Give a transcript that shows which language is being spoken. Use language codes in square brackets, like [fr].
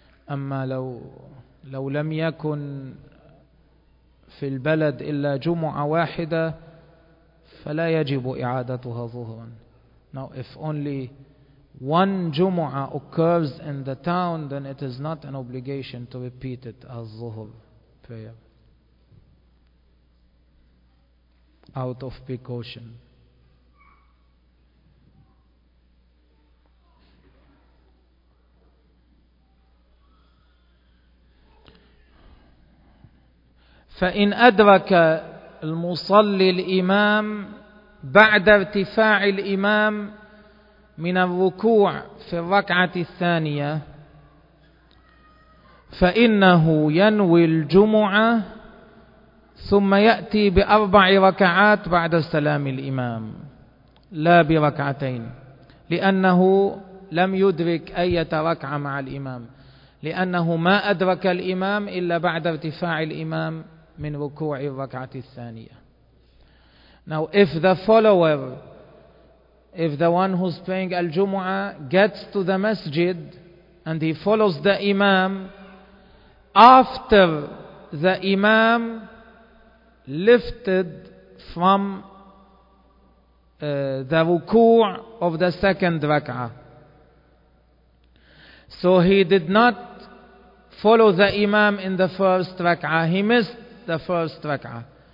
[ar] أما لو لم يكن في البلد إلا جمعة واحدة فلا يجب إعادتها ظهرا. [en] Now if only one Jumu'ah occurs in the town, then it is not an obligation to repeat it as Zuhr prayer out of precaution. [ar] فإن أدرك المصلي الإمام بعد ارتفاع الإمام من الركوع في الركعة الثانية فإنه ينوي الجمعة ثم يأتي بأربع ركعات بعد سلام الإمام لا بركعتين، لأنه لم يدرك أي ركعة مع الإمام، لأنه ما أدرك الإمام إلا بعد ارتفاع الإمام من ركوع الركعة الثانية. [en] Now if the follower, if the one who's praying Al-Jumu'ah gets to the masjid and he follows the Imam, after the Imam lifted from the ruku' of the second rak'ah, so he did not follow the Imam in the first rak'ah, he missed the first rak'ah.